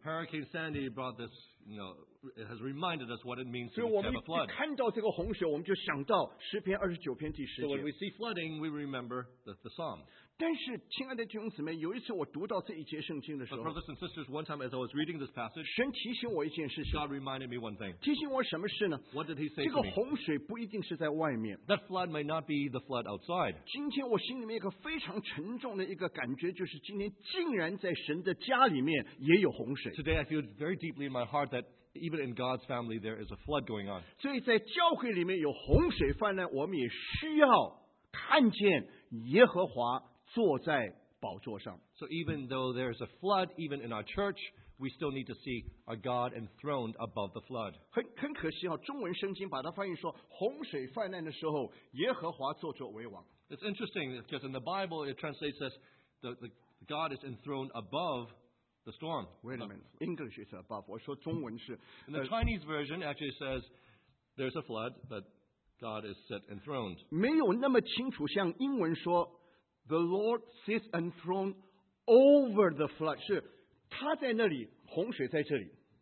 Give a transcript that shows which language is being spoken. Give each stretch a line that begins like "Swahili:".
English: Hurricane Sandy brought this, it has reminded us what it means to have a flood.
Chinese: 所以我们一看到这个洪水，我们就想到诗篇二十九篇第十节。
English: So when we see flooding, we remember the psalm.
Chinese: 但是，亲爱的弟兄姊妹，有一次我读到这一节圣经的时候
English: ，But brothers and sisters, one time as I was reading this passage,
Chinese: 神提醒我一件事情。
English: God reminded me one thing.
Chinese: 提醒我什么事呢
English: ？What did He say to me?
Chinese: 这个洪水不一定是在外面。
English: That flood may not be the flood outside.
Chinese: 今天我心里面一个非常沉重的一个感觉，就是今天竟然在神的家里面也有洪水。
English: Today I feel very deeply in my heart that even in God's family there is a flood going on.
Chinese: 所以在教会里面有洪水泛滥，我们也需要看见耶和华坐在宝座上。
English: So even though there is a flood, even in our church, we still need to see our God enthroned above the flood.
Chinese: 很可惜，中文圣经把它翻译说，洪水泛滥的时候，耶和华坐着为王。
English: It's interesting because in the Bible it translates as the God is enthroned above The storm. Wait a minute. English is above.
Chinese: 我说中文是。
English: In the Chinese version, actually says there's a flood, but God is set enthroned.
Chinese: 没有那么清楚，像英文说
English: the Lord sits enthroned over the flood.
Chinese: 是他在那里，洪水在这里。